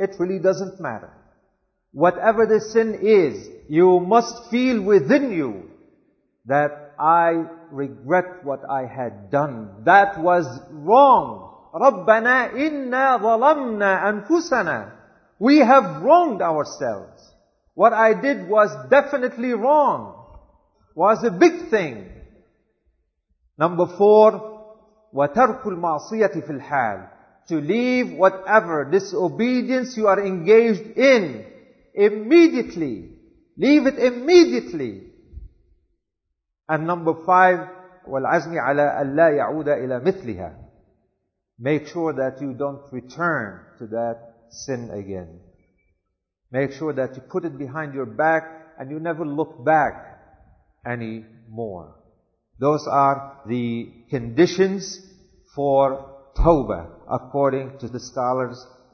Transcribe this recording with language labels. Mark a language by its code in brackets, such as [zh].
[en] It really doesn't matter. Whatever the sin is, you must feel within you that I regret what I had done. That was wrong. [ar] رَبَّنَا إِنَّا ظَلَمْنَا أَنفُسَنَا. [en] We have wronged ourselves. What I did was definitely wrong. Was a big thing. Number four, [ar] وَتَرْكُ الْمَعْصِيَةِ فِي الْحَالِ. [en] To leave whatever disobedience you are engaged in immediately. Leave it immediately. And number five, [ar] وَالْعَزْمِ عَلَىٰ أَلَّا يَعُودَ إِلَىٰ مِثْلِهَا. [en] Make sure that you don't return to that sin again. Make sure that you put it behind your back and you never look back anymore. Those are the conditions for tawbah, according to the scholars.